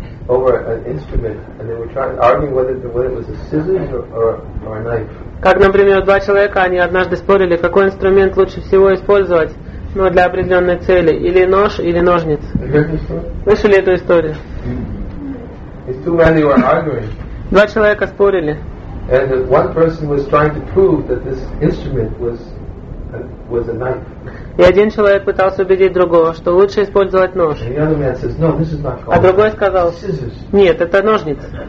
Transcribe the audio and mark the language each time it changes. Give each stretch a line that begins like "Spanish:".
English: Over an instrument, and they were trying arguing whether it was a scissors or a knife.
Russian: Как, например, два человека, они однажды спорили, какой инструмент лучше всего использовать, ну, для определенной цели, или нож, или ножниц. Слышали эту историю?
English: It's two men who were arguing.
Russian: Два человека спорили.
English: And one person was trying to prove that this instrument was a knife.
Russian: И один человек пытался убедить другого, что лучше использовать нож. А другой сказал, нет, это ножницы.